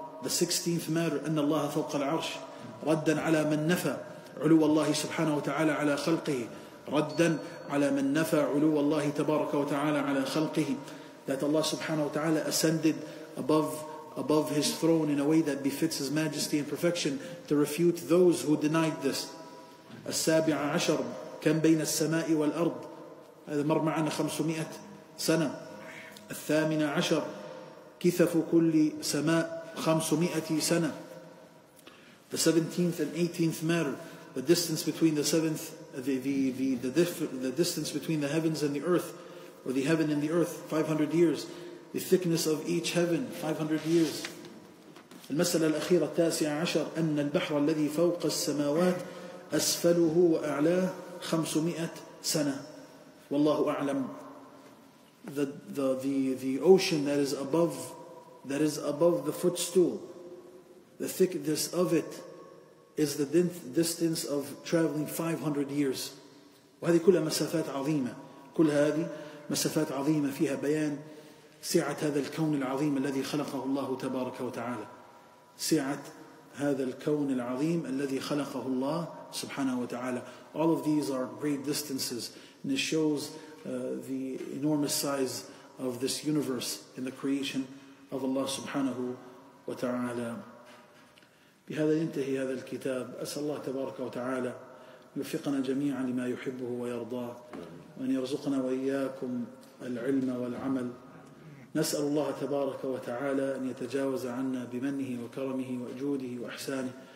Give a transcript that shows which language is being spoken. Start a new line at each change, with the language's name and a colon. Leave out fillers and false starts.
English: The 16th matter
Arabic: أن الله فوق العرش ردا على من نفى علو الله سبحانه وتعالى على خلقه. ردا على من نفى علو الله تبارك وتعالى على خلقه.
English: That Allah subhanahu wa ta'ala ascended above his throne in a way that befits his majesty and perfection to refute those who denied this.
Arabic: السابع عشر كم بين السماء والأرض هذا مر معنا 500 سنة. الثامن عشر كثف كل سماء 500 سنة.
English: The 17th and 18th matter, the distance between the seventh the distance between the heavens and the earth, or the heaven and the earth, 500 years. The thickness of each heaven, 500 years.
Arabic: المسألة الأخيرة التاسعة عشر أن البحر الذي فوق السماوات أسفله وأعلاه 500 سنة. والله أعلم.
English: The ocean that is above the footstool, the thickness of it is the distance of traveling 500 years.
Arabic: وهذه كلها مسافات عظيمة. كل هذه مسافات عظيمة فيها بيان سعة هذا الكون العظيم الذي خلقه الله تبارك وتعالى. سعة هذا الكون العظيم الذي خلقه الله سبحانه وتعالى.
English: All of these are great distances, and it shows the enormous size of this universe in the creation of Allah سبحانه وتعالى.
Arabic: بهذا ينتهي هذا الكتاب. أسأل الله تبارك وتعالى يوفقنا جميعا لما يحبه ويرضاه، وأن يرزقنا وإياكم العلم والعمل. نسأل الله تبارك وتعالى أن يتجاوز عنا بمنه وكرمه وجوده وإحسانه.